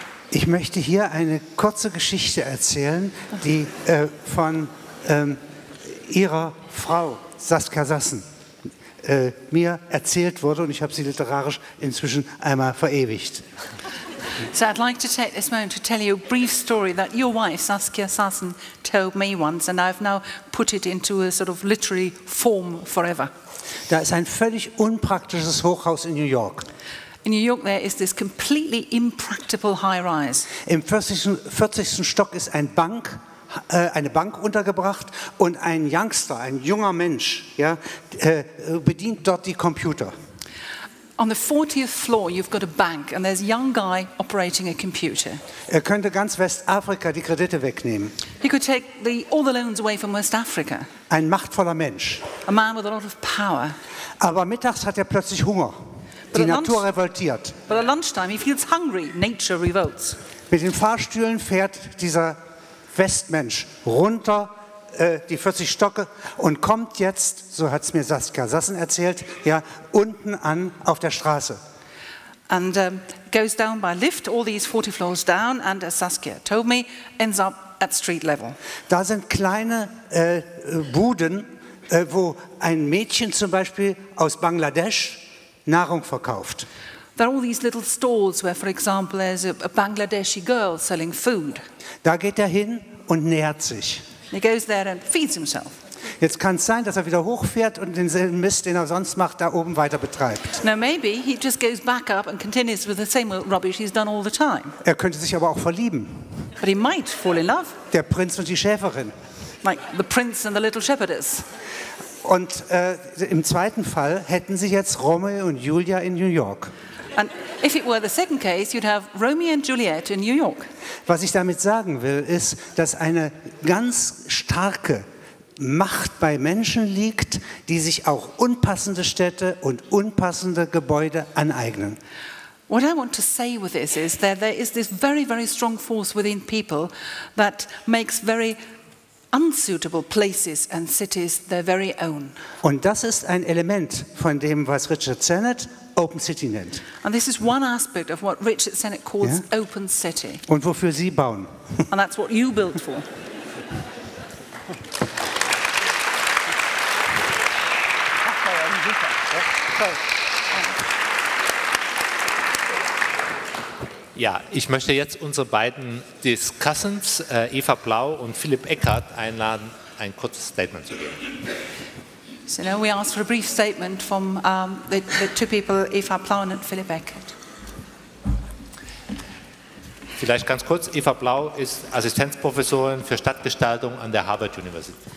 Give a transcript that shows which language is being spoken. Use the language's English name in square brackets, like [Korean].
[German] Ich möchte hier eine kurze Geschichte erzählen, die von ihrer Frau Saskia Sassen mir erzählt wurde, und ich habe sie literarisch inzwischen einmal verewigt. [English] So I'd like to take this moment to tell you a brief story that your wife, Saskia Sassen, told me once, and I've now put it into a sort of literary form forever. [German] Da ist ein völlig unpraktisches Hochhaus in New York. [English] In New York there is this completely impractical high-rise. [German] Im 40. Stock ist ein Bank, eine Bank untergebracht, und ein Youngster, ein junger Mensch, ja, bedient dort die Computer. [English] On the 40th floor you've got a bank and there's a young guy operating a computer. [German] Er könnte ganz Westafrika die Kredite wegnehmen. [English] He could take all the loans away from West Africa. [German] Ein machtvoller Mensch. [English] A man with a lot of power. [German] Aber mittags hat er plötzlich Hunger. Die Natur revoltiert. [English] But at lunchtime he feels hungry. Nature revolts. [German] Mit den Fahrstühlen fährt dieser Westmensch runter die 40 Stocke und kommt jetzt, so hat es mir Saskia Sassen erzählt, ja, unten an auf der Straße. [English] And goes down by lift, all these 40 floors down, and as Saskia told me, ends up at street level. [German] Da sind kleine Buden, wo ein Mädchen zum Beispiel aus Bangladesch Nahrung verkauft. [English] There are all these little stalls where, for example, there's a Bangladeshi girl selling food. [German] Da geht er hin und nähert sich. [English] He goes there and feeds himself. [German] Jetzt kann es sein, dass er wieder hochfährt und denselben Mist, den er sonst macht, da oben weiter betreibt. [English] Now maybe he just goes back up and continues with the same rubbish he's done all the time. [German] Er könnte sich aber auch verlieben. [English] But he might fall in love. [German] Der Prinz und die Schäferin. [English] Like the prince and the little shepherdess. [German] Und im zweiten Fall hätten sie jetzt Romeo und Julia in New York. [English] And if it were the second case, you'd have Romeo and Juliet in New York. [German] Was ich damit sagen will, ist, dass eine ganz starke Macht bei Menschen liegt, die sich auch unpassende Städte und unpassende Gebäude aneignen. [English] What I want to say with this is that there is this very, very strong force within people that makes very unsuitable places and cities their very own. [German] Und das ist ein Element von dem, was Richard Sennett Open City nennt. [English] And this is one aspect of what Richard Sennett calls, ja? Open City. [German] Und wofür Sie bauen. [English] And that's what you built for. [German] Ja, ich möchte jetzt unsere beiden Discussants, Eva Blau und Philipp Eckert, einladen, ein kurzes Statement zu geben. [English] So now we ask for a brief statement from the two people, Eva Blau and Philipp Eckert. [German] Vielleicht ganz kurz, Eva Blau ist Assistenzprofessorin für Stadtgestaltung an der Harvard University.